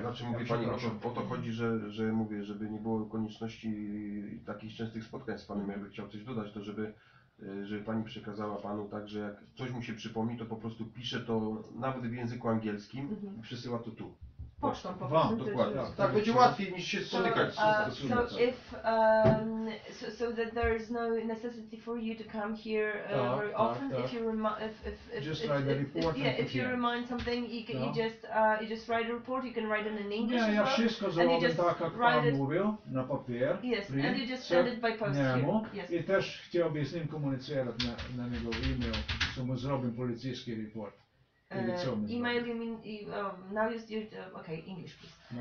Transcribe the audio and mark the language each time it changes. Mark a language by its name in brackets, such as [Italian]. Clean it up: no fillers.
[Polish] Znaczy mówi pani, o to chodzi, że mówię, żeby nie było konieczności takich częstych spotkań z panem. Ja bym chciał coś dodać, to żeby żeby pani przekazała panu tak, że jak coś mu się przypomni, to po prostu pisze to nawet w języku angielskim i przesyła to tu. Pocztą po prostu. Dokładnie. Tak, tak będzie łatwiej niż się spotykać [English] z so that there is no necessity for you to come here very often if you remind something you can you just write a report, you can write it in English. [Polish] Nie, ja wszystko zrobię tak jak pan mówił na papier. [English] Yes, and you just send it by post here. Yes. [Polish] I też chciałbym z nim komunicować na jego e-mail, co my zrobimy policyjski report. [English] E-mail, you mean now you're okay, English please.